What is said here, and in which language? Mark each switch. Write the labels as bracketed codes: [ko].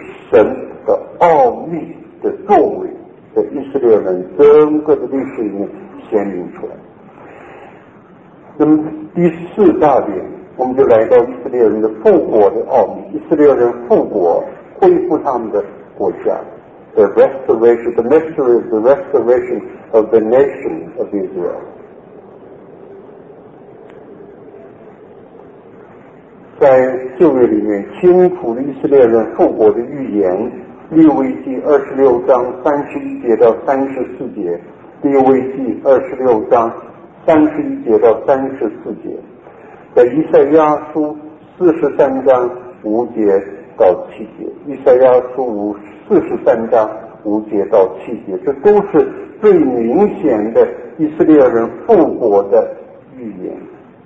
[zh] 神的奥秘的作为在以色列人整个的历史里面显明出来。那么第四大点，我们就来到以色列人的复国的奥秘，以色列人复国恢复他们的国家。 [en] The restoration, the mystery of the restoration of the nation of Israel. [zh] 在旧约里面，清楚以色列人复国的预言，利未记二十六章三十一节到三十四节，利未记二十六章三十一节到三十四节，在以赛亚书四十三章五节到七节，以赛亚书五四十三章五节到七节，这都是最明显的以色列人复国的预言。